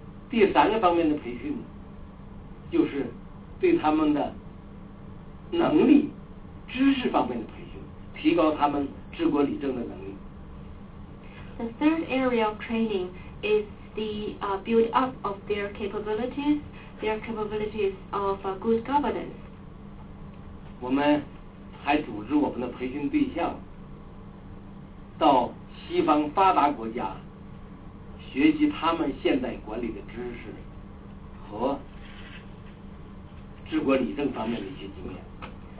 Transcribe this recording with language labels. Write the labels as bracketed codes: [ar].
[zh] 第三个方面的培训就是对他们的能力、知识方面的培训，提高他们治国理政的能力。 [en] The third area of training is the build up of their capabilities of good governance. [zh] 我们还组织我们的培训对象到西方发达国家学习他们现代管理的知识和治国理政方面的一些经验。